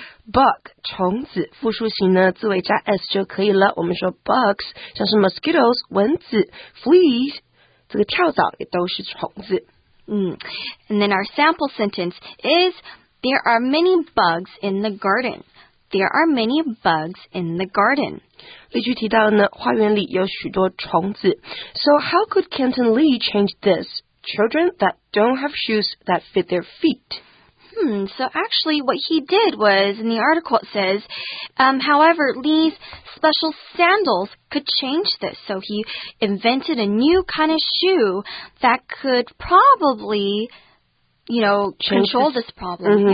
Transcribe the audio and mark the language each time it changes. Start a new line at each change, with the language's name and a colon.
Chinese: Bug, 虫子复数形呢字尾加 s 就可以了。我们说 bugs， 像是 mosquitoes， 蚊子 ,fleas,这个跳蚤也都是虫子。
English: And then our sample sentence is, there are many bugs in the garden. There are many bugs in the garden.
Chinese: 例句提到呢，花园里有许多虫子。
English: So how could Canton Lee change this? Children that don't have shoes that fit their feet. So actually what he did was, in the article it says, however, Lee's special sandals could change this. So he invented a new kind of shoe that could probably, you know, control this problem.